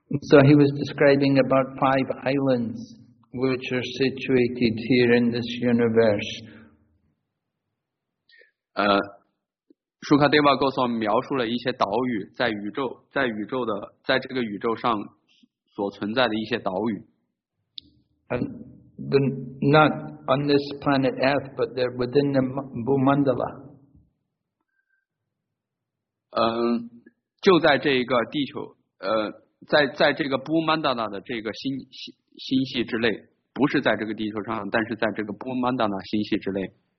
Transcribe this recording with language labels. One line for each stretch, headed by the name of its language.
English: So he was describing about five islands which are situated here in this universe.
Chinese: 舒卡德瓦 Goswami 描述了一些岛屿，在宇宙，在宇宙的，在这个宇宙上所存在的一些岛屿。
English: Not on this planet Earth, but they're within the Bhumandala.
Chinese: 就在这个地球，在这个 Bhumandala 的这个星系之内，不是在这个地球上，但是在这个 Bhumandala 星系之内。